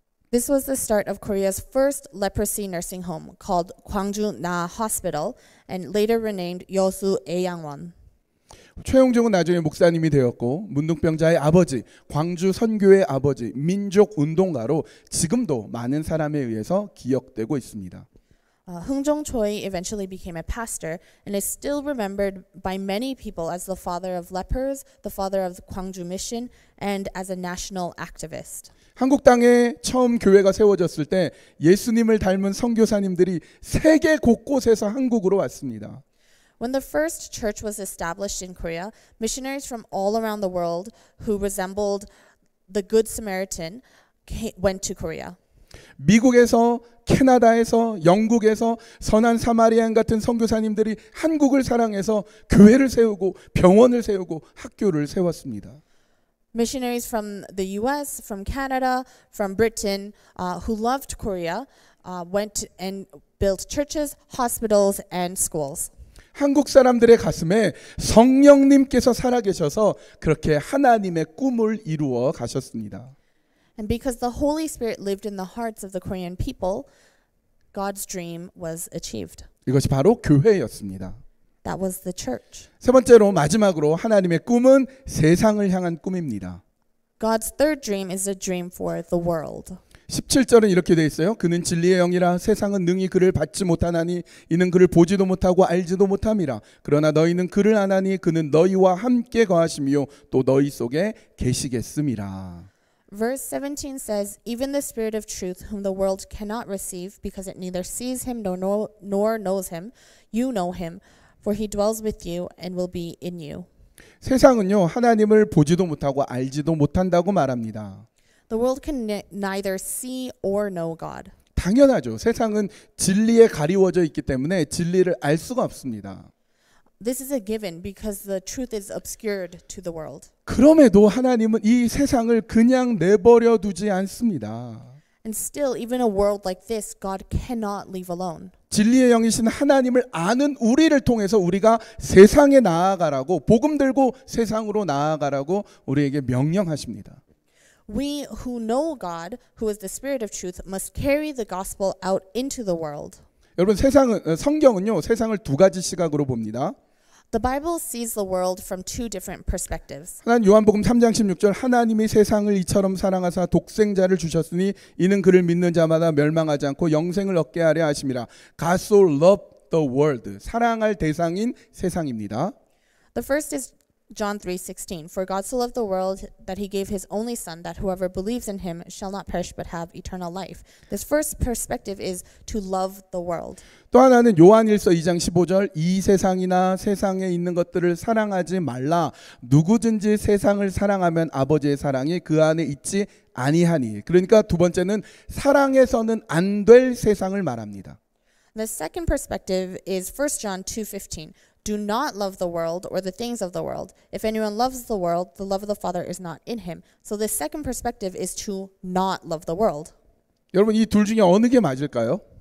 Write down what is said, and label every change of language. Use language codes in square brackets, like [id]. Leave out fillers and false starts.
[en] This was the start of Korea's first leprosy nursing home called Gwangju Na Hospital and later renamed Yeosu Aeyangwon. [ko] 최홍종은 나중에 목사님이 되었고 문둥병자의 아버지, 광주 선교의 아버지, 민족 운동가로 지금도 많은 사람에 의해서 기억되고 있습니다. [en] Hong Jong Choi eventually became a pastor and is still remembered by many people as the father of lepers, the father of the Gwangju mission and as a national activist. [ko] 한국 땅에 처음 교회가 세워졌을 때 예수님을 닮은 선교사님들이 세계 곳곳에서 한국으로 왔습니다. [en] When the first church was established in Korea, missionaries from all around the world who resembled the Good Samaritan went to Korea. [ko] 미국에서, 캐나다에서, 영국에서 선한 사마리안 같은 선교사님들이 한국을 사랑해서 교회를 세우고 병원을 세우고 학교를 세웠습니다. [en] Missionaries from the US, from Canada, from Britain, who loved Korea, went and built churches, hospitals, and schools. [ko] 한국 사람들의 가슴에 성령님께서 살아계셔서 그렇게 하나님의 꿈을 이루어 가셨습니다. [en] And because the Holy Spirit lived in the hearts of the Korean people, God's dream was achieved. [ko] 이것이 바로 교회였습니다. [en] That was the church. [ko] 세 번째로 마지막으로 하나님의 꿈은 세상을 향한 꿈입니다. [en] God's third dream is a dream for the world. [ko] 17절은 이렇게 돼 있어요. 그는 진리의 영이라 세상은 능히 그를 받지 못하나니 이는 그를 보지도 못하고 알지도 못함이라. 그러나 너희는 그를 아나니 그는 너희와 함께 거하심이요 또 너희 속에 계시겠음이라. [en] Verse 17 says, even the spirit of truth whom the world cannot receive because it neither sees him nor knows him, you know him. For he dwells with you and will be in you. [ko] 세상은요, 하나님을 보지도 못하고 알지도 못한다고 말합니다. [en] The world can neither see or know God. [ko] 당연하죠. 세상은 진리에 가리워져 있기 때문에 진리를 알 수가 없습니다. [en] This is a given because the truth is obscured to the world. [ko] 그럼에도 하나님은 이 세상을 그냥 내버려 두지 않습니다. [en] And still, even a world like this, God cannot leave alone. [ko] 진리의 영이신 하나님을 아는 우리를 통해서 우리가 세상에 나아가라고 복음 들고 세상으로 나아가라고 우리에게 명령하십니다. [en] We who know God, who is the Spirit of Truth, must carry the gospel out into the world. [ko] 여러분 세상은 성경은요 세상을 두 가지 시각으로 봅니다. [en] The Bible sees the world from two different perspectives. [ko] 요한복음 3장 16절 하나님이 세상을 이처럼 사랑하사 독생자를 주셨으니 이는 그를 믿는 자마다 멸망하지 않고 영생을 얻게 하려 하심이라. [en] God so loved the world. [ko] 사랑할 대상인 세상입니다. [en] The first is John 3:16. For God so loved the world that he gave his only son that whoever believes in him shall not perish but have eternal life. This first perspective is to love the world. [ko] 또 하나는 요한일서 2장 15절 이 세상이나 세상에 있는 것들을 사랑하지 말라. 누구든지 세상을 사랑하면 아버지의 사랑이 그 안에 있지 아니하니. 그러니까 두 번째는 사랑해서는 안 될 세상을 말합니다. [en] The second perspective is 1 John 2:15. Do not love the world or the things of the world. If anyone loves the world, the love of the Father is not in him. So the second perspective is to not love the world. [ko] 여러분 이 둘 중에 어느 게 맞을까요?